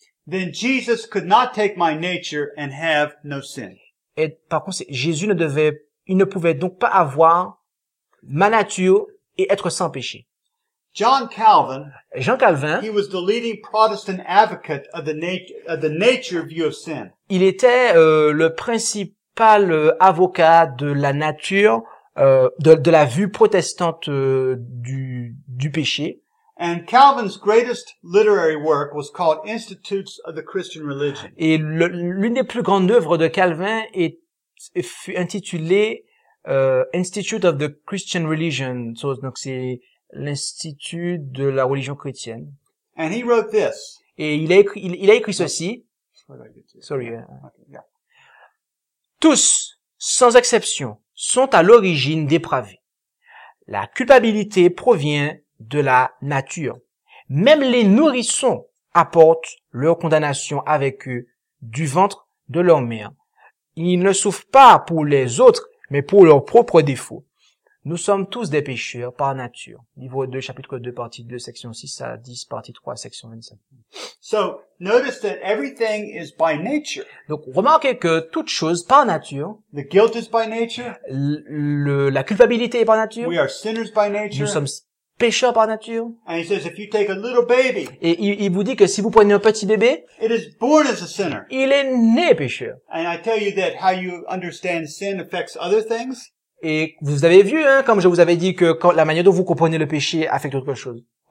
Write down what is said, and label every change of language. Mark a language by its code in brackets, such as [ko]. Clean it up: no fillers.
[en] Then Jesus could not take my nature and have no sin. [fr] Et par contre, il ne pouvait donc pas avoir ma nature et être sans péché. [en] Jean Calvin, he was the leading Protestant advocate of the nature view of sin. [fr] Il était le principal avocat de la nature de la vue protestante du péché. [en] And Calvin's greatest literary work was called Institutes of the Christian Religion. [fr] Et l'une des plus grandes œuvres de Calvin fut intitulée Institute of the Christian Religion. Donc c'est l'Institut de la religion chrétienne. [en] And he wrote this. [fr] Et il a écrit ceci. [en] Sorry. Okay, yeah. [fr] Tous, sans exception, sont à l'origine dépravés. La culpabilité provient de la nature. Même les nourrissons apportent leur condamnation avec eux du ventre de leur mère. Ils ne souffrent pas pour les autres, mais pour leurs propres défauts. Nous sommes tous des pécheurs par nature. Livre 2, chapitre 2, partie 2, section 6 à 10, partie 3, section 27. [en] So, notice that everything is by nature. [fr] Donc, remarquez que toute chose par nature. [en] The guilt is by nature. [fr] La culpabilité est par nature. [en] We are sinners by nature. [fr] Nous sommes pécheurs par nature. [en] And he says, if you take a little baby. [fr] Et il vous dit que si vous prenez un petit bébé. [en] It is born as a sinner. [fr] Il est né pécheur. [en] And I tell you that how you understand sin affects other things. [fr] Et vous avez vu, hein, comme je vous avais dit, que la manière dont vous comprenez le péché affecte autre chose.